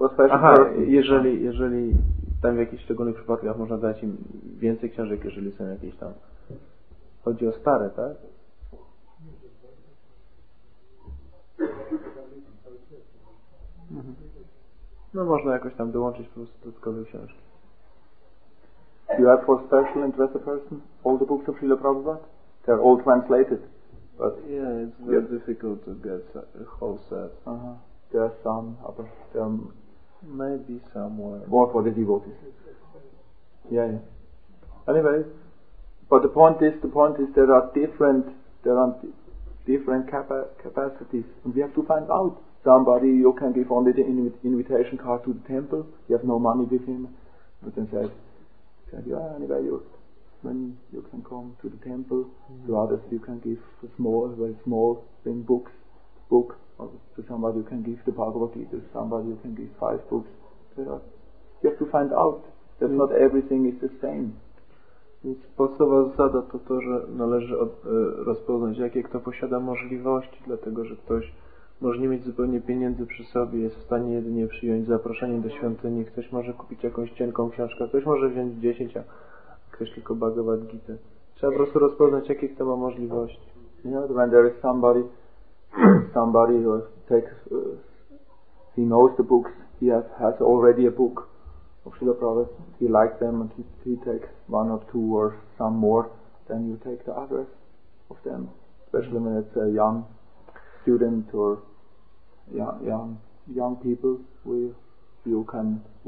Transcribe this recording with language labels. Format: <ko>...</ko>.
<pl>Aha, jeżeli tam w jakichś szczególnych przypadkach można dać im więcej książek, jeżeli są jakieś tam. Chodzi o stare, tak? No można jakoś tam dołączyć po prostu dodatkowe książki.</pl> <en>You have for special interest a person? All the books of Srila Prabhupada? They're all translated. But yeah, it's very difficult to get a whole set. Uh-huh. There are some other film. Maybe somewhere. More for the devotees. Yeah. Anyway. But the point is there are different capacities. And we have to find out. Somebody you can give only the invitation card to the temple, you have no money with him. But then said, yeah, anyway, when you can come to the temple, to others you can give a small, very small thing, book, or to somebody you can give the Bhagavad Gita, to somebody you can give 5 books. You have to find out that not everything is the same.</en> <pl>Więc podstawowa zasada to, że należy rozpoznać, jakie kto posiada możliwości, dlatego że ktoś może nie mieć zupełnie pieniędzy przy sobie, jest w stanie jedynie przyjąć zaproszenie do świątyni, ktoś może kupić jakąś cienką książkę, ktoś może wziąć 10, a ktoś tylko Bhagavad Gita. Trzeba po prostu rozpoznać, jakie kto ma możliwości.</pl> <en>When there is somebody who takes, he knows the books, he has already a book of Srila Prabhupada, he likes them and he takes one or two or some more, then you take the others of them, especially when it's a young student or young people, you can</en>